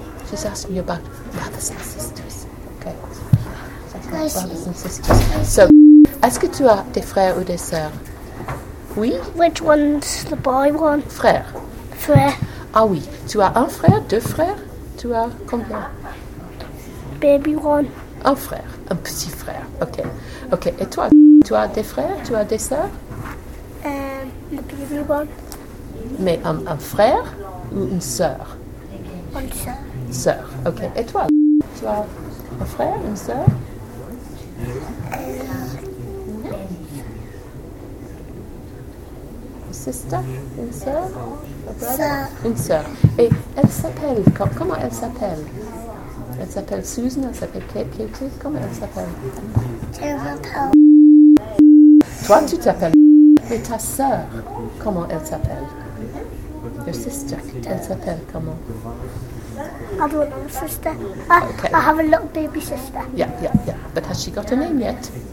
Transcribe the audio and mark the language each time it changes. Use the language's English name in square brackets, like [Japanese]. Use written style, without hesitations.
[English] She's asking you about brothers and sisters. Okay. Brothers and sisters. [French] So, est-ce que tu as des frères ou des sœurs? Oui. [English] Which one's the boy one? [French] Frère. Frère. Ah oui. Tu as un frère, deux frères? Tu as combien? [English] Baby one. [French] Un frère. Un petit frère. Okay. Okay. Et toi, tu as des frères? Tu as des sœurs? [English] Le baby one. [French] Mais un frère ou une sœur? Une sœur. Sœur, ok. Et toi, tu as un frère, une sœur? Une sister, une sœur? Une sœur. Et elle s'appelle, comment elle s'appelle? Elle s'appelle Susan, elle s'appelle Katie, comment elle s'appelle? Je m'appelle. Toi, tu t'appelles. Mais ta sœur, comment elle s'appelle? [English] Your sister, [French] elle s'appelle comment? [English] I don't know, sister. I have a little baby sister. Yeah. But has she got a name yet?